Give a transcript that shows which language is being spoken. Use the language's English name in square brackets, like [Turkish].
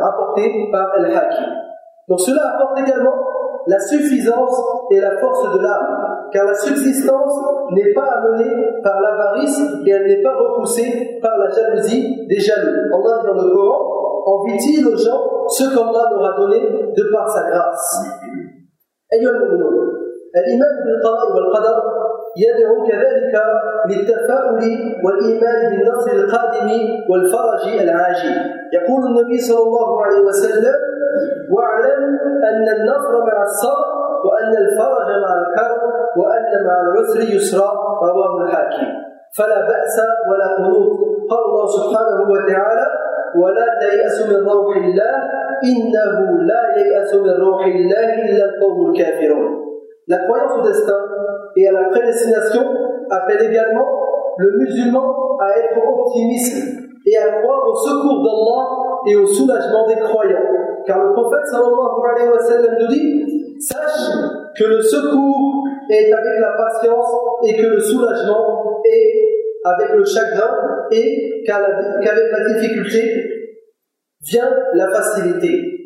[French] Rapporté par Al-Hakim. Donc cela apporte également la suffisance et la force de l'âme, car la subsistance n'est pas amenée par l'avarice et elle n'est pas repoussée par la jalousie des jaloux. Allah dit dans le Coran: envie-t-il aux gens ce qu'Allah leur a donné de par sa grâce. [Arabic] أيها المؤمنون، الإيمان بالقضاء والقدر يدعو كذلك للتفاؤل والإيمان بالنصر القادم والفرج العاجل. يقول النبي صلى الله عليه وسلم: واعلم أن النصر مع الصبر، وأن الفرج مع الكرب، وأن مع العسر يسرا. رواه الحاكم. فلا بأس ولا قنوط. قال الله سبحانه وتعالى: ولا تيأس من روح الله إنه لا ييأس من روح الله إلا القوم الكافرون. [French] La croyance au destin et à la prédestination appelle également le musulman à être optimiste et à croire au secours d'Allah et au soulagement des croyants. Car le prophète sallallahu alayhi wa sallam nous dit: sache que le secours est avec la patience et que le soulagement est avec le chagrin et qu'avec la difficulté vient la facilité.